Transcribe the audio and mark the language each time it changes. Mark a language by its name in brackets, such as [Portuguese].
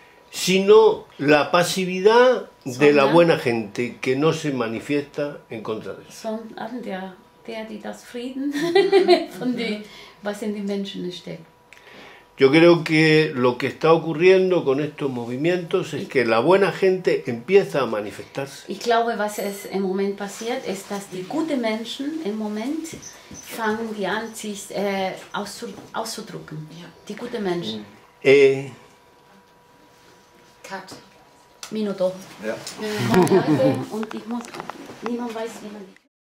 [Spanish] Sino la pasividad de la buena gente que no se manifiesta en contra de eso. [German] Sondern der die das Frieden von dem, was in den Menschen steckt. [Spanish] Yo creo que lo que está ocurriendo con estos movimientos es que la buena gente empieza a manifestarse. [German] Ich glaube, was es im Moment passiert, ist, dass die guten Menschen im Moment fangen die an, sich auszudrücken. Die guten Menschen. [English] Cut. [Spanish] Minuto. [German] Ja. Und ich muss. Niemand weiß, wie man.